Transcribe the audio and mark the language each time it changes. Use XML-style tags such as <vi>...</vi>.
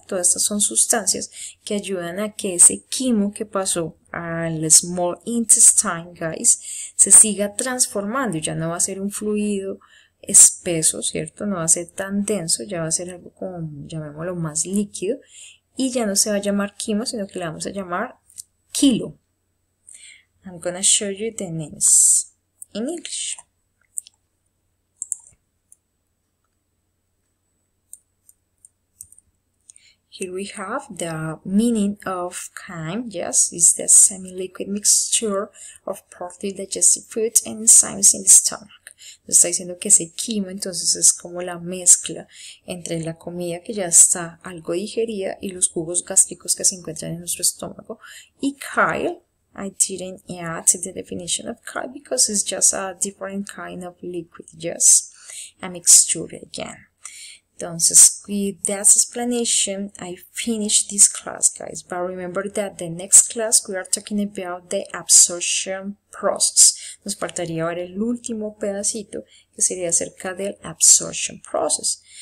<es>Todas estas son sustancias que ayudan a que ese quimo que pasó al</es> <en>small intestine, guys,</en> <es>se siga transformando. Ya no va a ser un fluido espeso, ¿cierto? No va a ser tan denso, ya va a ser algo como, llamémoslo, más líquido. Y ya no se va a llamar quimo, sino que le vamos a llamar kilo.</es> <en>I'm going to show you the names in English. Here we have the meaning of chyme. Yes, it's the semi-liquid mixture of partly digested food and enzymes in the stomach.</en> <es>Nos está diciendo que ese quimo entonces es como la mezcla entre la comida que ya está algo digerida y los jugos gástricos que se encuentran en nuestro estómago. Y chyle.</es> <en>I didn't add to the definition of chyle because it's just a different kind of liquid, just a mixture again.</en> <es>Entonces,</es> <en>with that explanation, I finished this class, guys. But remember that the next class we are talking about the absorption process.</en> <es>Nos faltaría ver el último pedacito que sería acerca del</es> <en>absorption process.</en>